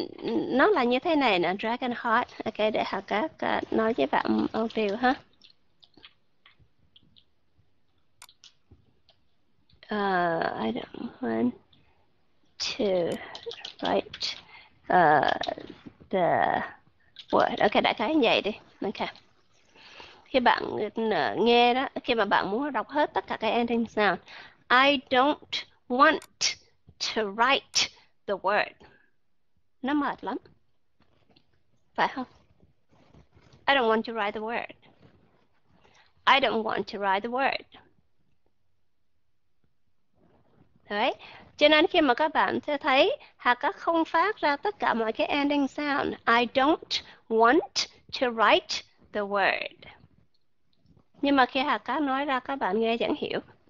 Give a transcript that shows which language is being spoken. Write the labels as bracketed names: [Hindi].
[Vietnamese] Nó là như thế này nè, Dragon Heart. Ok, để Hà Cát nói với bạn một điều ha. [English] I don't want to write the word. [Vietnamese] Ok, đại khái như vậy đi. Ok. Khi bạn nghe đó, khi mà bạn muốn đọc hết tất cả cái ending sound, [English] I don't want to write the word. [Vietnamese] Nó mệt lắm. Phải không? [English] I don't want to write the word. I don't want to write the word. [Vietnamese] Đấy. Cho nên khi mà các bạn sẽ thấy hạ các không phát ra tất cả mọi cái ending sound. [English] I don't want to write the word. [Vietnamese] Nhưng mà khi hạ các nói ra các bạn nghe chẳng hiểu.